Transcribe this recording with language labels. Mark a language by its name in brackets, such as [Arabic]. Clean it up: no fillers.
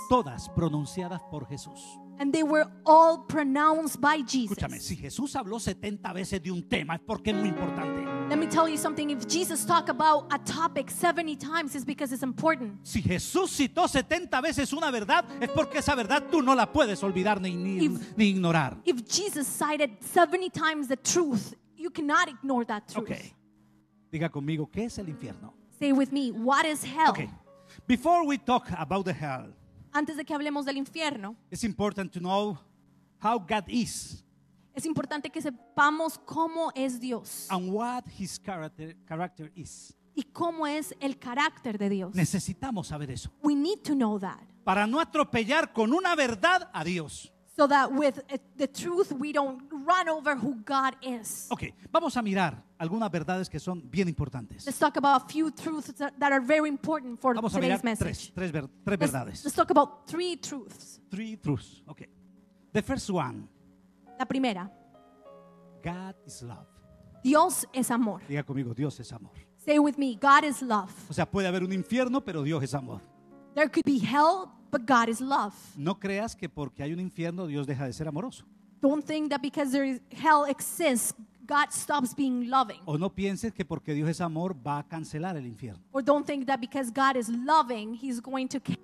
[Spanish] Todas pronunciadas por Jesús. [English] And they were all pronounced by Jesus. [Spanish] Escúchame, si Jesús habló 70 veces de un tema, es porque es muy importante. [English] Let me tell you something. If Jesus talked about a topic 70 times, it's because it's important. [Spanish] Si Jesús citó 70 veces una verdad, es porque esa verdad tú no la puedes olvidar ni ignorar. [English] If Jesus cited 70 times the truth, you cannot ignore that truth. [Spanish] Okay. Diga conmigo, ¿qué es el infierno? [English] Say with me, what is hell? Okay. Before we talk about the hell, [Spanish] antes de que hablemos del infierno, [English] it's important to know how God is. [Spanish] Es importante que sepamos cómo es Dios. [English] And what his character is. [Spanish] Y cómo es el carácter de Dios. Necesitamos saber eso. [English] We need to know that. [Spanish] Para no atropellar con una verdad a Dios. [English] So that with the truth we don't run over who God is. [Spanish] Okay, vamos a mirar algunas verdades que son bien importantes. [English] Let's talk about a few truths that are very important for today's message. [Spanish] Vamos a mirar tres verdades. [English] Let's talk about three truths. Three truths, okay. The first one. [Spanish] La primera. [English] God is love. [Spanish] Dios es amor. Diga conmigo, Dios es amor. [English] Say with me, God is love. [Spanish] O sea, puede haber un infierno, pero Dios es amor. [English] There could be hell, but God is love. [Spanish] No creas que porque hay un infierno Dios deja de ser amoroso. [English] Don't think that because there is hell exists, God stops being loving. [Spanish] O no pienses que porque Dios es amor va a cancelar el infierno. [English] Or don't think that because God is loving, he's going to cancel